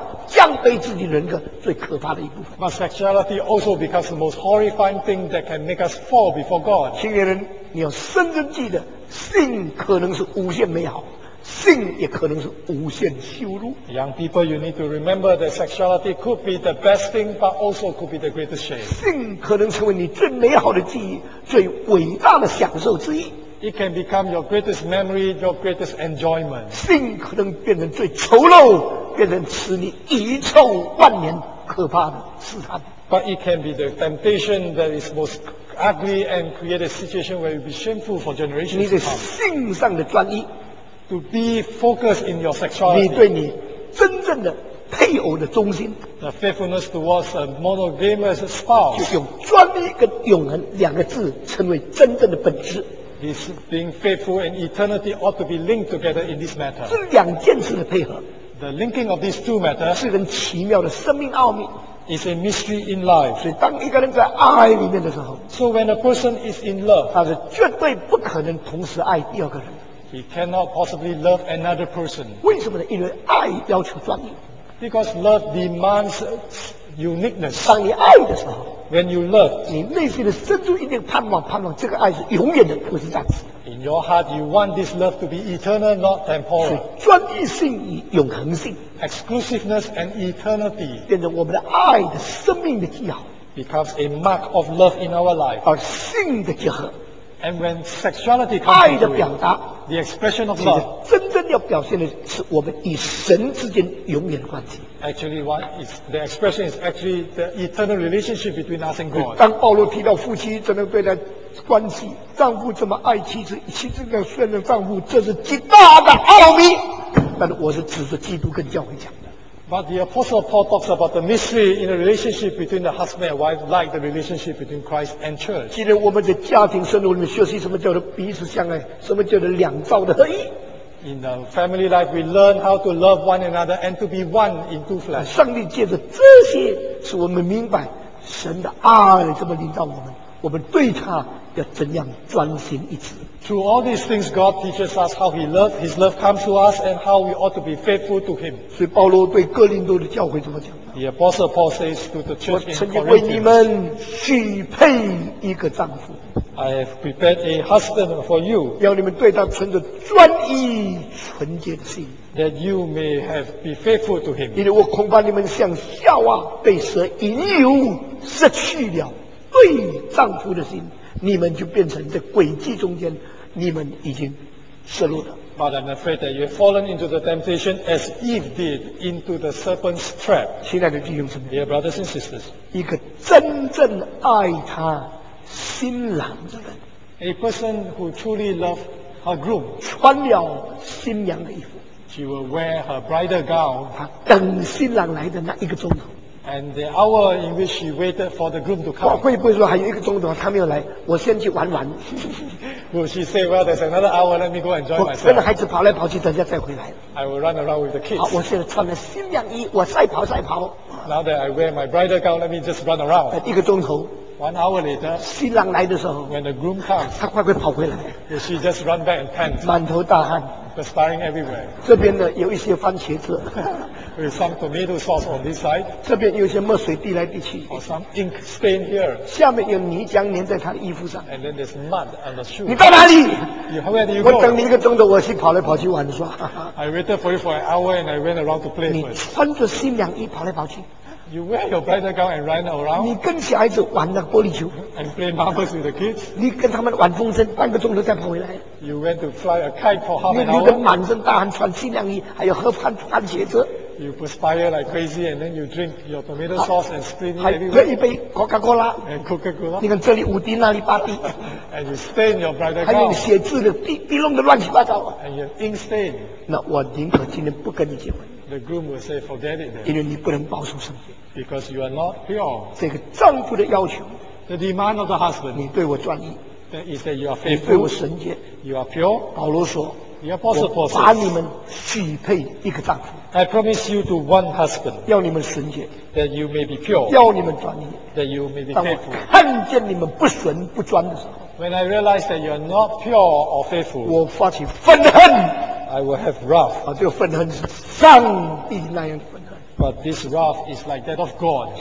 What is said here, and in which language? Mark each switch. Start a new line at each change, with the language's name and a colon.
Chinese: 但性也变成人最羞辱神明最败坏降卑自己人格最可怕的一部分,
English: but sexuality also becomes the most horrifying thing that can make us fall before God.
Chinese: 亲爱的人, 你要深深记得, 性可能是无限美好, 性也可能是无限羞辱。
English: Young people, you need to remember that sexuality could be the best thing, but also could be the greatest shame.
Chinese: 性可能成为你最美好的记忆, 最伟大的享受之一。
English: It can become your greatest memory, your greatest enjoyment.
Chinese: 性可能变成最丑陋, 变成使你遗臭万年可怕的试探。
English: But it can be the temptation that is most ugly and create a situation where you'll be shameful for generations.
Chinese: 你的性上的专一,
English: to be focused in your sexuality,
Chinese: 你对你真正的配偶的忠心,
English: the faithfulness towards a monogamous spouse,
Chinese: 就用专一跟永恒两个字称为真正的本质。
English: This being faithful and eternity ought to be linked together in this matter.
Chinese: 这两件事的配合,
English: the linking of these two matters,
Chinese: 是很奇妙的生命奥秘,
English: is a mystery in life.
Chinese: 所以当一个人在爱里面的时候,
English: so when a person is in love,
Chinese: 他是绝对不可能同时爱第二个人。
English: He cannot possibly love another person.
Chinese: 为什么呢?因为爱要求专一。
English: Because love demands uniqueness.
Chinese: 当你爱的时候,
English: when you love,
Chinese: 你内心的深处一定盼望这个爱是永远的, 不是暂时。
English: In your heart, you want this love to be eternal, not temporal.
Chinese: 所以专一性与永恒性,
English: exclusiveness and eternity,
Chinese: 变成我们的爱的生命的记号,
English: becomes a mark of love in our life.
Chinese: 而性的结合,
English: and when sexuality comes into it, the expression of love,
Chinese: 真正要表现的是我们与神之间永远的关系。
English: Actually, what is the expression is actually the eternal relationship between us and God.
Chinese: 当保罗提到夫妻怎么对待关系，丈夫这么爱妻子，妻子要顺着丈夫，这是极大的奥秘。但我是指着基督跟教会讲的。
English: But the Apostle Paul talks about the mystery in the relationship between the husband and wife, like the relationship between Christ and church.
Chinese: 今天我们的家庭生活里面学习什么叫做彼此相爱，什么叫做两造的合一。
English: In the family life, we learn how to love one another and to be one in two flesh.
Chinese: 上帝借着这些，使我们明白神的爱怎么领导我们，我们对他要怎样专心一致。
English: Through all these things, God teaches us how He loves. His love comes to us, and how we ought to be faithful to Him.
Chinese: 所以保罗对哥林多的教会怎么讲
English: ？The Apostle Paul says to the church in Corinth.
Chinese: 我曾经为你们许配一个丈夫。
English: I have prepared a husband for you.
Chinese: 要你们对他存着专一纯洁的心。
English: That you may have be faithful to him.
Chinese: 因为我恐怕你们像夏娃被蛇引诱，失去了对丈夫的心，你们就变成在诡计中间，你们已经失落了。
English: But I'm afraid that you have fallen into the temptation as Eve did into the serpent's trap.
Chinese: 亲爱的弟兄姊妹
English: ，Dear brothers and sisters,
Chinese: 一个真正爱他新郎的人
English: ，A person who truly loves her groom,
Chinese: 穿了新娘的衣服
English: ，She will wear her bridal gown.
Chinese: 她等新郎来的那一个钟头。
English: And the hour in which she waited for the groom to come.
Chinese: 我会不会说还有一个钟头他没有来，我先去玩玩。
English: Will she say, "Well, there's another hour. Let me go enjoy myself."
Chinese: 我跟孩子跑来跑去，等一下再回来。
English: I will run around with the kids.
Chinese: 好，我现在穿了新娘衣，我赛跑赛跑。
English: Now that I wear my bridal gown, let me just run around.
Chinese: 一个钟头。
English: One hour later.
Chinese: 新郎来的时候。
English: When the groom comes.
Chinese: 他快快跑回来。
English: Will she just run back and pant?
Chinese: 满头大汗。
English: Perspiring everywhere.
Chinese: 这边呢有一些番茄汁。
English: There's some tomato sauce on this side.
Chinese: 这边有一些墨水滴来滴去。
English: Or some ink stain here.
Chinese: 下面有泥浆粘在他的衣服上。
English: And then there's mud on the shoe.
Chinese: 你到哪里？
English: Where do you go?
Chinese: 我等你一个钟头，我去跑来跑去玩耍。
English: I waited for you for an hour and I went around to play first.
Chinese: 你穿着新娘衣跑来跑去。
English: You wear your bridal gown and run around.
Chinese: 你跟小孩子玩那玻璃球。
English: And play marbles with the kids.
Chinese: 你跟他们玩风筝，半个钟头再跑回来。
English: You went to fly a kite for half an hour.
Chinese: 你流得满身大汗，穿新娘衣，还有喝番茄汁。
English: You perspire like crazy, and then you drink your tomato sauce and spray everywhere.
Chinese: 还喝一杯 Coca-Cola.
English: And Coca-Cola.
Chinese: 你看这里五滴，那里八滴。
English: And you stain your bridal gown.
Chinese: 还有写字的滴弄得乱七八糟。
English: And you ink stain.
Chinese: 那我宁可今天不跟你结婚。
English: The groom will say, "Forget it."
Chinese: 因为你不能保守圣洁。
English: Because you are not pure.
Chinese: 这个丈夫的要求。
English: The demand of the husband.
Chinese: 你对我专一。
English: That is that you are faithful.
Chinese: 你对我圣洁。
English: You are pure.
Chinese: 保罗说。我把你们许配一个丈夫。
English: I promise you to one husband.
Chinese: 要你们纯洁。
English: That you may be pure.
Chinese: 要你们专一。
English: That you may be faithful.
Chinese: 当我看见你们不纯不专的时候。
English: When I realize that you are not pure or faithful.
Chinese: 我发起愤恨。
English: I will have wrath.
Chinese: 啊，这个愤恨是上帝那样的愤恨。
English: But this wrath is like that of God.